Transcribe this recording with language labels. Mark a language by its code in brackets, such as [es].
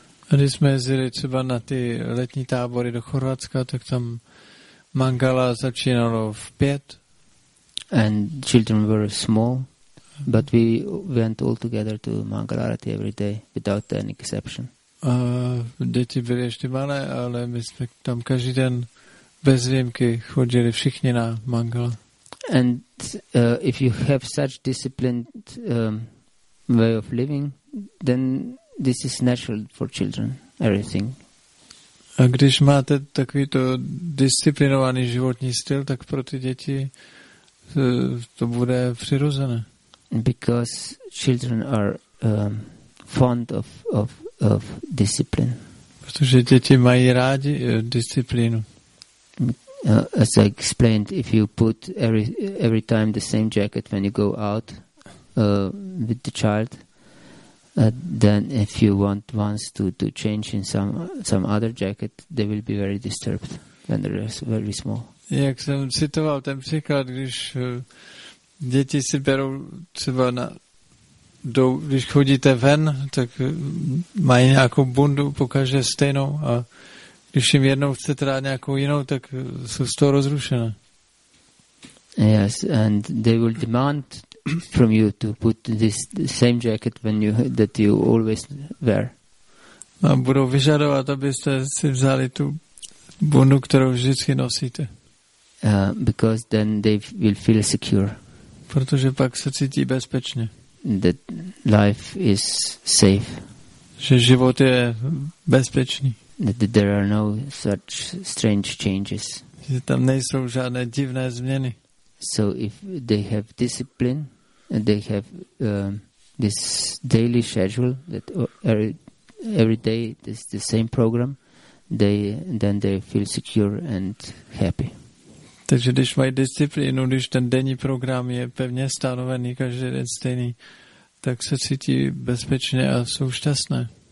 [cs] A když jsme jezdili třeba na ty letní tábory do Chorvatska, tak tam Mangala začínalo v 5. [en] And children were small, but we went all together to Mangalarati every day without any exception. [cs] Děti byly ještě malé, ale my jsme tam každý den bez výjimky chodili všichni na Mangala. [en] And if you have such disciplined way of living, then this is natural for children, everything. [cs] A když máte takovýto disciplinovaný životní styl, tak pro ty děti to bude přirozené. [en] Because children are fond of discipline. [cs] Protože děti mají rádi disciplínu. [en] As I explained, if you put every time the same jacket when you go out with the child, then if you want once to change in some other jacket, they will be very disturbed when they're very small. [cs] Jak jsem citoval ten příklad, když děti si berou třeba když chodíte ven, tak mají nějakou bundu, pokaže stejnou, a když jim jednou chcete dát nějakou jinou, tak jsou z toho rozrušené. [en] Yes, and they will demand from you to put the same jacket that you always wear. [cs] A budou vyžadovat, abyste si vzali tu bundu, kterou vždycky nosíte. [en] Because then they will feel secure. [cs] Protože pak se cítí bezpečně. [en] That life is safe. [cs] Že život je bezpečný. [en] That there are no such strange changes. [cs] Že tam nejsou žádné divné změny. [en] So if they have discipline, they have this daily schedule that every day is the same program, then they feel secure and happy. [cs] Takže když mají disciplínu, když ten denní program je pevně stanovený, každý den stejný, tak se cítí bezpečně a jsou šťastné.